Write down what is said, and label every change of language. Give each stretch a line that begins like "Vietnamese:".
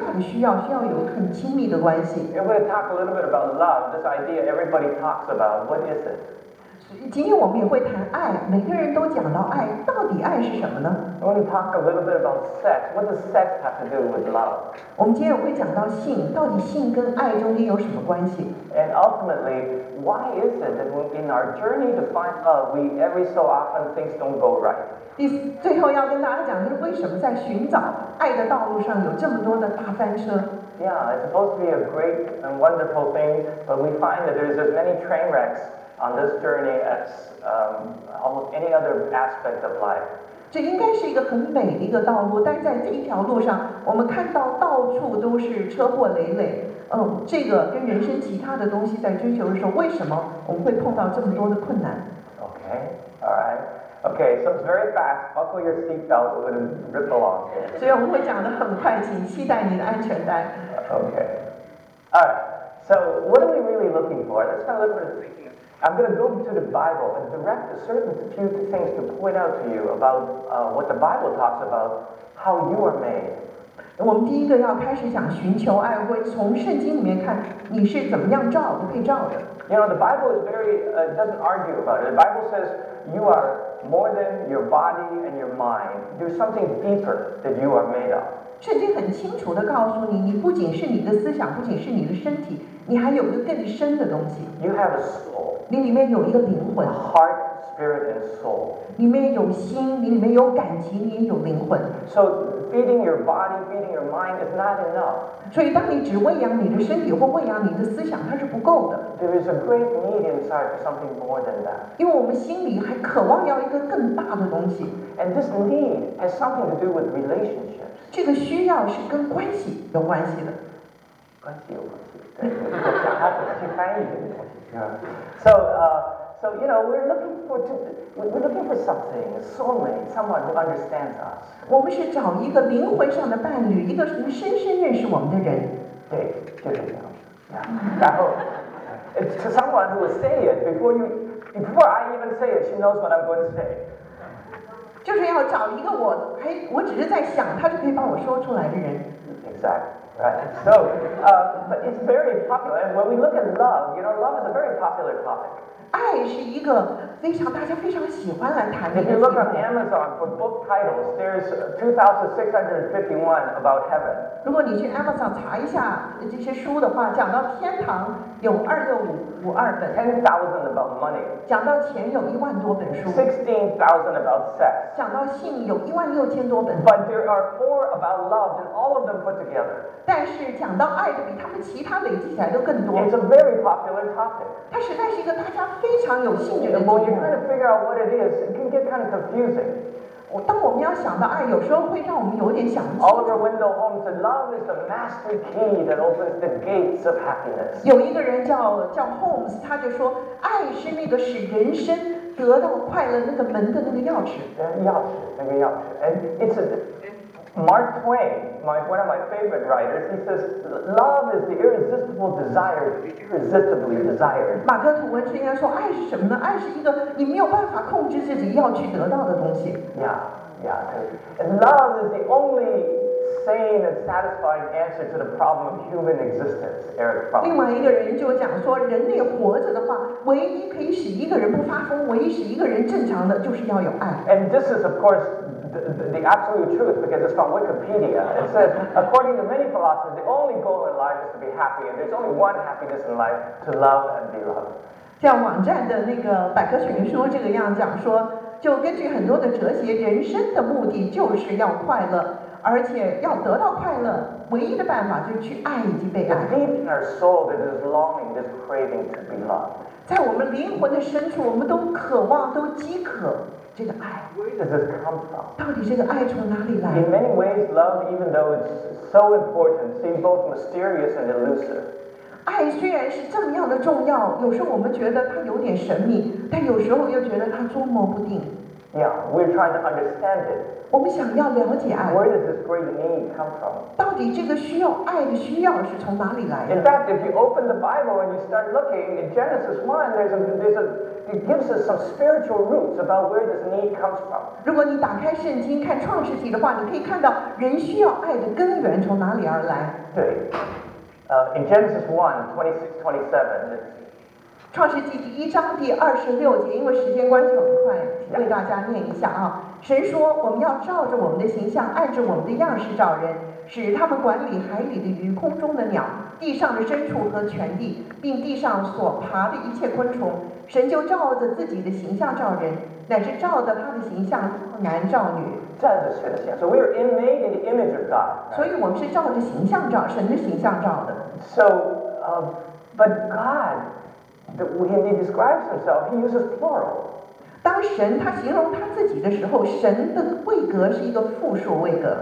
Chinese: 什么叫做亲密的关系？当神造我们的时候，让我们里面有极大的需要，需要有很亲密的关系。
English: We're going to talk a little bit about love, this idea everybody talks about. What is it?
Chinese: 今天我们也会谈爱，每个人都讲到爱，到底爱是什么呢？
English: I want to talk a little bit about sex. What does sex have to do with love?
Chinese: 我们今天也会讲到性，到底性跟爱中间有什么关系？
English: And ultimately, why is it that in our journey to find love, we every so often things don't go right?
Chinese: 最后要跟大家讲的是，为什么在寻找爱的道路上有这么多的大翻车？
English: Yeah, it's supposed to be a great and wonderful thing, but we find that there's as many train wrecks on this journey as almost any other aspect of life.
Chinese: 这应该是一个很美的一个道路，但在这一条路上，我们看到到处都是车祸累累。这个跟人生其他的东西在追求的时候，为什么我们会碰到这么多的困难？
English: Okay, all right. Okay, so it's very fast. Buckle your seatbelt. We're going to rip along.
Chinese: 所以我们会讲得很快，请期待你的安全带。
English: Okay. All right. So what are we really looking for? That's kind of what we're thinking. I'm going to go to the Bible and direct a certain few things to point out to you about what the Bible talks about how you are made.
Chinese: 我们第一个要开始想寻求爱，会从圣经里面看你是怎么样照的，被照的。
English: You know, the Bible is very doesn't argue about it. The Bible says you are more than your body and your mind. There's something deeper that you are made of.
Chinese: 圣经很清楚地告诉你，你不仅是你的思想，不仅是你的身体，你还有一个更深的东西。
English: You have a soul.
Chinese: 你里面有一个灵魂。
English: Heart, spirit, and soul.
Chinese: 里面有心，你里面有感情，你也有灵魂。
English: So. Feeding your body, feeding your mind is not enough.
Chinese: 所以当你只喂养你的身体或喂养你的思想，它是不够的。
English: There is a great need inside for something more than that.
Chinese: 因为我们心里还渴望要一个更大的东西。
English: And this need has something to do with relationships.
Chinese: 这个需要是跟关系有关系的。关系有关系，对，它是去翻译的关系。
English: So you know, we're looking for something, a soulmate, someone who understands us.
Chinese: 我们是找一个灵魂上的伴侣，一个能深深认识我们的人。对，就是这样。然后
English: ，to someone who will say it before I even say it, she knows what I'm going to say.
Chinese: 就是要找一个我还我只是在想，他就可以把我说出来的人。
English: Exactly. Right. So, but it's very popular. And when we look at love, you know, love is a very popular topic.
Chinese: 爱是一个非常大家非常喜欢来谈的。
English: If you look on Amazon for book titles, there's 2,651 about heaven.
Chinese: 如果你去 Amazon 查一下这些书的话，讲到天堂有26,552本。
English: 10,000 about money.
Chinese: 讲到钱有10,000多本书。
English: 16,000 about sex.
Chinese: 讲到性有16,000多本。
English: But there are more about love than all of them put together.
Chinese: 但是讲到爱的比他们其他累积起来都更多。
English: It's a very popular topic.
Chinese: 它实在是一个大家非常有兴趣的。
English: Well, you're trying to figure out what it is. It can get kind of confusing.
Chinese: 当我们要想到爱，有时候会让我们有点想不清。
English: Oliver Wendell Holmes said, "Love is the master key that opens the gates of happiness."
Chinese: 有一个人叫 Holmes， 他就说，爱是那个使人生得到快乐那个门的那个钥匙。
English: And it's a. Mark Twain, one of my favorite writers, he says, "Love is the irresistible desire, irresistibly desired."
Chinese: 马克吐温先生说，爱是什么呢？爱是一个你没有办法控制自己要去得到的东西。
English: Yeah. And love is the only sane and satisfying answer to the problem of human existence, Eric Fromm.
Chinese: 另外一个人就讲说，人类活着的话，唯一可以使一个人不发疯，唯一使一个人正常的，就是要有爱。
English: And this is, of course. The absolute truth, because it's from Wikipedia. It says, according to many philosophers, the only goal in life is to be happy, and there's only one happiness in life: to love and be loved.
Chinese: 像网站的那个百科全书这个样讲说，就根据很多的哲学，人生的目的就是要快乐，而且要得到快乐，唯一的办法就是去爱以及被爱。
English: Deep in our soul, there's this longing, this craving to be loved.
Chinese: 在我们灵魂的深处，我们都渴望，都饥渴。
English: Where does it come from?
Chinese: 到底这个爱从哪里来？
English: In many ways, love, even though it's so important, seems both mysterious and elusive.
Chinese: 爱虽然是这么样的重要，有时候我们觉得它有点神秘，但有时候又觉得它捉摸不定。
English: Yeah, we're trying to understand it.
Chinese: 我们想要了解爱。
English: Where does this great need come from?
Chinese: 到底这个需要爱的需要是从哪里来的？
English: In fact, if you open the Bible and you start looking in Genesis 1, there's a It gives us some spiritual roots about where this need comes from.
Chinese: 如果你打开圣经看创世纪的话，你可以看到人需要爱的根源从哪里而来。对，
English: in Genesis 1:26-27,
Chinese: 创世纪第一章第二十六节，因为时间关系，我们快为大家念一下啊。神说，我们要照着我们的形象，按着我们的样式造人，使他们管理海里的鱼、空中的鸟、地上的牲畜和全地，并地上所爬的一切昆虫。神就照着自己的形象照人，乃是照着他的形象，男照女。这是神的形象。
English: So we are made in the image of God.
Chinese: 所以我们是照着形象照，神的形象照的。
English: So, but God, when He describes Himself, He uses plural.
Chinese: 当神他形容他自己的时候，神的位格是一个复数位格。